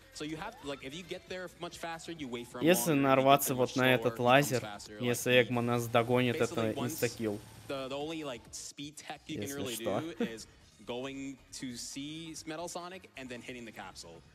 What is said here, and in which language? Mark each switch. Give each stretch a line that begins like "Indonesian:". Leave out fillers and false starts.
English: So you have like if you get there much faster, you wait for.
Russian: Если нарваться вот на этот лазер, если Eggman нас догонит, это инстакил.
English: The only like speed tech you can really do is going to see Metal Sonic and then hitting the capsule.